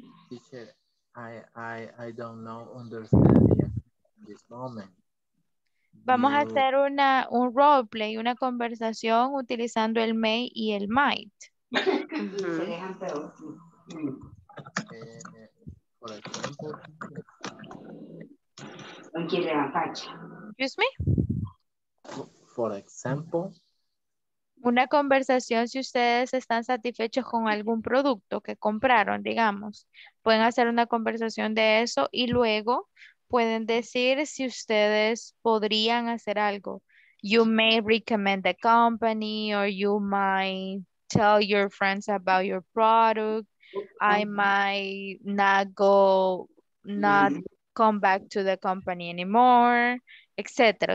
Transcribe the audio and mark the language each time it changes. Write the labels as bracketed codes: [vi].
[en] Teacher, I don't know, understand yet in this moment. [es] Vamos a hacer un roleplay, una conversación utilizando el may y el might. [en] Excuse me? For example? [es] una conversación, si ustedes están satisfechos con algún producto que compraron, digamos, pueden hacer una conversación de eso y luego pueden decir si ustedes podrían hacer algo. [en] You may recommend the company or you might tell your friends about your product. I might not come back to the company anymore, etc.